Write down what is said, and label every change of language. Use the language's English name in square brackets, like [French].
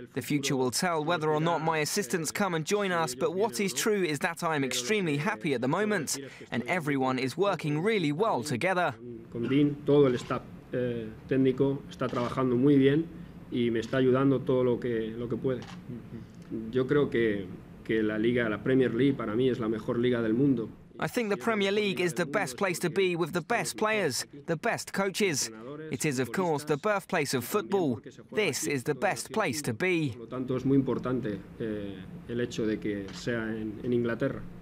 [English] The future will tell whether or not my assistants come and join us, but what is true is that I am extremely happy at the moment, and everyone is working really well together. [Spanish] Con Dean, todo el staff técnico está trabajando muy bien y me está ayudando todo lo que puede. Yo creo que la Liga, la Premier League, para mí es la mejor liga del mundo. [English] I think the Premier League is the best place to be with the best players, the best coaches. It is, of course, the birthplace of football. This is the best place to be. [Spanish] Por lo tanto, es muy importante el hecho de que sea en Inglaterra.